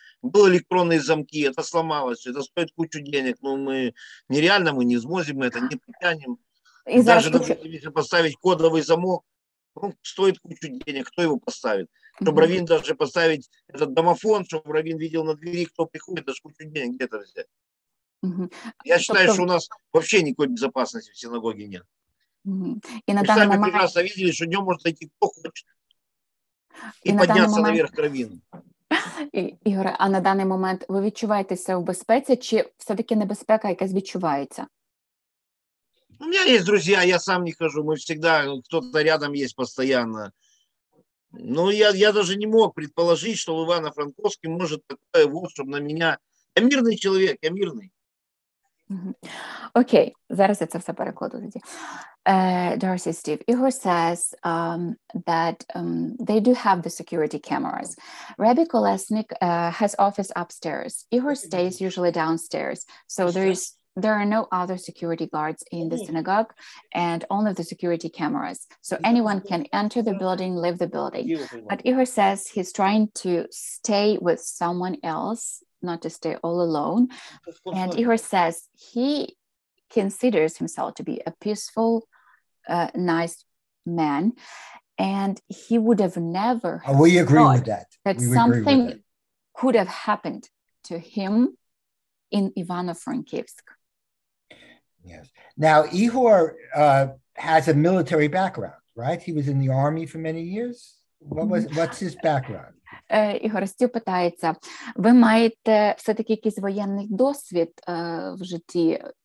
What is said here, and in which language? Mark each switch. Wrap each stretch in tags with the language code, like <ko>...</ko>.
<ru>Были электронные замки, это сломалось, это стоит кучу денег, но мы нереально, мы не сможем это, не потянем. И даже допустим, если поставить кодовый замок, он стоит кучу денег, кто его поставит? Чтобы раввин даже поставить этот домофон, чтобы раввин видел на двери, кто приходит, даже кучу денег, где это взять?</ru> <uk>Я считаю, що у нас взагалі ніякої безпечності в синагогі немає. Ми самі прекрасно бачили, що днем може зайти хто хоче і піднятися наверх кровіну. Ігоре, а на даний момент ви відчуваєтеся в безпеці, чи все-таки небезпека якась відчувається? У мене є друзі, я сам не хожу, ми завжди, хтось рядом є постійно. Ну, я навіть не мог предположити, що в Івано-Франківську може таке, вот, щоб на мене... Я мирний чоловік, я мирний. Okay, зараз я це все перекладу тоді.</uk> <en>Darcy, Steve, Igor says that they do have the security cameras. Rabbi Kolesnik has office upstairs. Igor stays usually downstairs. So there are no other security guards in the synagogue and only the security cameras. So anyone can enter the building, leave the building. But Igor says he's trying to stay with someone else, not to stay all alone. And Igor says he considers himself to be a peaceful, nice man. And he would have never we agree with that. That we something with that. Could have happened to him in Ivano-Frankivsk. Yes. Now, Igor has a military background, right? He was in the army for many years. What's his background?</en> <uk>Ігор Стів питається, ви маєте все-таки якийсь воєнний досвід в житті?</uk>